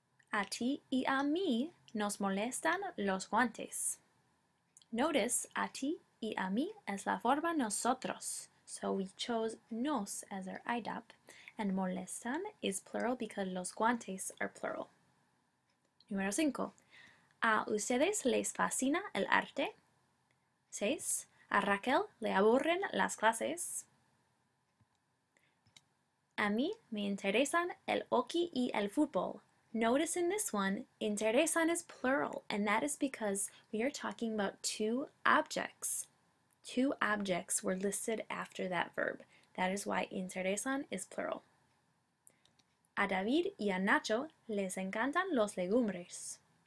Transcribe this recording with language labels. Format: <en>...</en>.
<es>A ti y a mí nos molestan los guantes.</es> <en>Notice,</en> <es>a ti y a mí es la forma nosotros.</es> <en>So we chose nos as our IDOP, and molestan is plural because</en> <es>los guantes</es> <en>are plural.</en> <es>Número 5. ¿A ustedes les fascina el arte? 6. ¿A Raquel le aburren las clases? A mí me interesan el hockey y el fútbol.</es> <en>Notice in this one, interesan is plural, and that is because we are talking about two objects. Two objects were listed after that verb. That is why interesan is plural.</en> <es>A David y a Nacho les encantan los legumbres.</es>